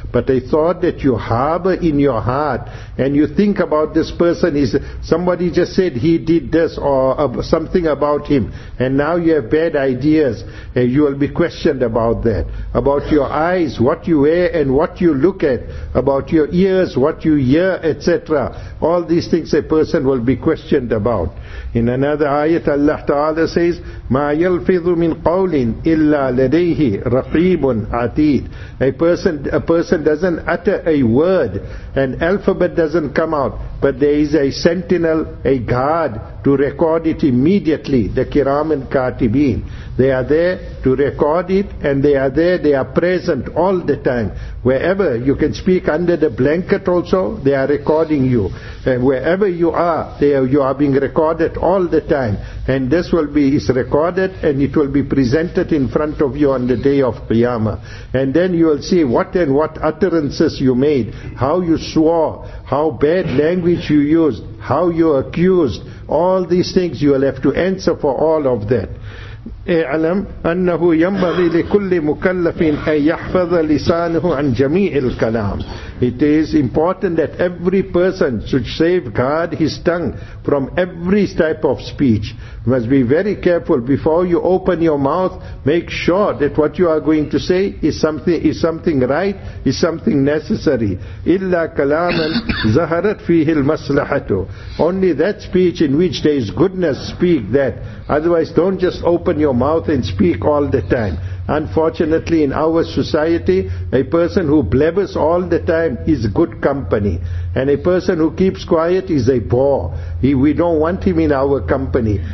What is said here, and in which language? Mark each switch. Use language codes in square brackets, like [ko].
[en] But a thought that you harbor in your heart and you think about this person, is somebody just said he did this or something about him, and now you have bad ideas, and you will be questioned about that. About your eyes, what you wear and what you look at. About your ears, what you hear, etc. All these things a person will be questioned about. In another ayat, Allah Ta'ala says, [ar] مَا يَلْفِظُ مِنْ قَوْلٍ إِلَّا لَدَيْهِ رَقِيبٌ عَتِيدٌ. [en] A person doesn't utter a word, an alphabet doesn't come out, but there is a sentinel, a guard, to record it immediately, the kiram and katibin. They are there to record it, and they are present all the time. Wherever you can speak under the blanket also, they are recording you. And wherever you are, you are being recorded all the time. And this is recorded, and it will be presented in front of you on the day of Qiyamah. And then you will see what utterances you made, how you swore, how bad language you used, how you accused. All these things you will have to answer for, all of that. [ar] اعلم أنه ينبغي لكل مكلف أن يحفظ لسانه عن جميع الكلام. [en] It is important that every person should safeguard his tongue from every type of speech. You must be very careful before you open your mouth. Make sure that what you are going to say is something right, is something necessary. [ar] إلا كلاما زهرت فيه المصلحة. [en] Only that speech in which there is goodness, speak that. Otherwise, don't just open your mouth and speak all the time. Unfortunately, in our society, a person who blabbers all the time is good company. And a person who keeps quiet is a bore. We don't want him in our company.